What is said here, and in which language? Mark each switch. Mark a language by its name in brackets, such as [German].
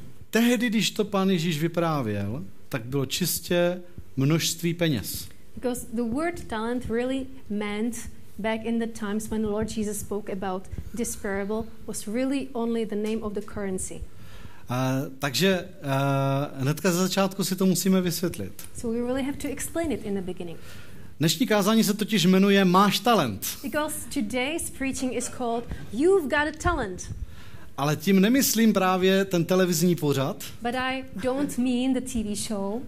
[Czech] Tehdy, když to pán Ježíš vyprávěl, tak bylo čistě množství peněz. [English] Because the word talent really meant back in the times when the Lord Jesus spoke about this parable was really only the name of the currency. [Czech] Takže hnedka ze začátku si to musíme vysvětlit. [English] So we really have to explain it in the beginning. [Czech] Dnešní kázání se totiž jmenuje Máš talent. [English] Because today's preaching is called You've got a talent. [Czech] Ale tím nemyslím právě ten televizní pořad. [English] But I don't mean the TV show.